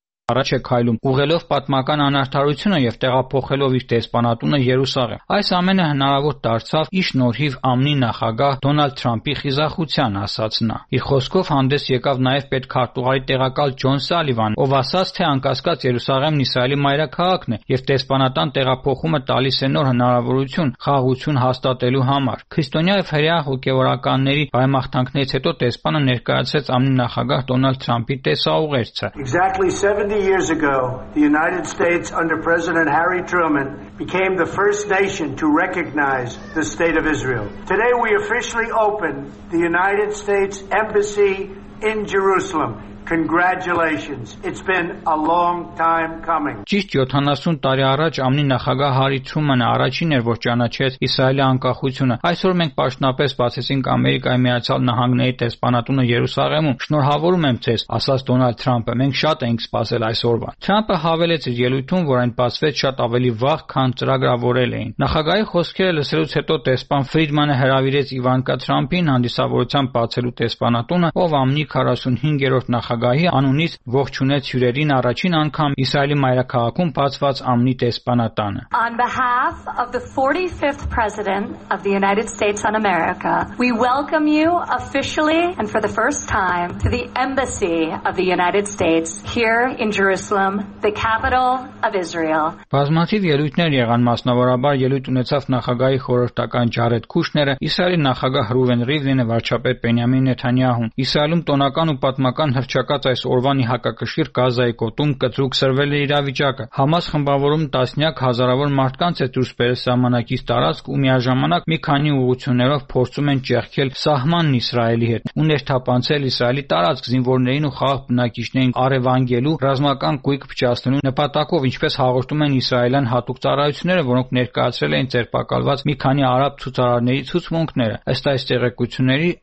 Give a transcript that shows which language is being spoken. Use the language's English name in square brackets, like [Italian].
[Armenian] առաջ է քայլում, ուղղելով պատմական անարդարությունը եւ տեղափոխելով իր դեսպանատունը Երուսաղեմ։ Այս ամենը հնարավոր դարձավ ի շնորհիվ ԱՄՆ-ի նախագահ Դոնալդ Թրամփի խիզախության, ասաց նա։ Իր խոսքով հանդես եկավ նաեւ պետքարտուղարի տեղակալ Ջոն Սալիվան, ով ասաց, թե անկասկած Երուսաղեմն Իսրայելի մայրաքաղաքն է եւ դեսպանատան տեղափոխումը տալիս է նոր հնարավորություն խաղաղություն հաստատելու համար։ Քրիստոնյա եւ հրեա հոգեորականների բարեմաղթանքներից հետո դեսպանը ներկայացրեց ԱՄՆ-ի նախագահ Դոնալդ Թրամփի տեսաուղերձը։ [English] 70 years ago, the United States under President Harry Truman became the first nation to recognize the State of Israel. Today we officially open the United States Embassy in Jerusalem. Congratulations. It's been a long time coming. [Armenian] Ճիշտ 70 տարի առաջ ԱՄՆ-ի նախագահ Հարի Թրումանը առաջին էր, որ ճանաչեց Իսրայելի անկախությունը։ Այսօր մենք պաշտոնապես բացեցինք Ամերիկայի Միացյալ Նահանգների դեսպանատունը Երուսաղեմում։ Շնորհավորում եմ ձեզ, ասաց Դոնալդ Թրամփը։ Մենք շատ ենք սպասել այս օրվան։ Թրամփը հավելեց իր ելույթում, որ այն բացվեց շատ ավելի վաղ, քան ծրագրավորել էին։ Նախագահի խոսքերը լսելուց հետո դեսպան Ֆրիդմանը հրավիրեց Իվանկա Թրամփին հանդիսավորությամբ բացելու դեսպանատունը, ով ԱՄՆ-ի 45-րդ Նախագահի անունից ողջունեց հյուրերին առաջին անգամ Իսրայելի մայրաքաղաքում բացված ԱՄՆ-ի դեսպանատանը։ [English] On behalf of the 45th President of the United States of America, we welcome you officially and for the first time to the Embassy of the United States here in Jerusalem, the capital of Israel. [Armenian] Բազմաթիվ ելույթներ եղան, մասնավորաբար ելույթ ունեցավ նախագահի խորհրդական Ջարեդ Քուշները, Իսրայելի նախագահ Ռուվեն Ռիվլինը, վարչապետ Բենյամին Նեթանյահուն, Իսրայելում տոնական ու պատմական հրճակ ճակատած այս օրվանի հակակշիռ Գազայի կոտում կծուկ սրվել է իրավիճակը։ Համաս խմբավորում տասնյակ հազարավոր մարդկանց է դուրս բերել սահմանակից տարածք ու միաժամանակ մի քանի ուղություններով փորձում են ճեղքել սահմանն Իսրայելի հետ ու ներթափանցել Իսրայելի տարածք զինվորներին ու խաղաղ բնակիչներին արևանգելու ռազմական կույք փչացնելու նպատակով, ինչպես հաղորդում են իսրայելյան հատուկ ծառայությունները, որոնք ներկայացրել էին ձերբակալված մի քանի արաբ ցուցարարների ցուցմունքները։ Ըստ այս տեղեկությունների,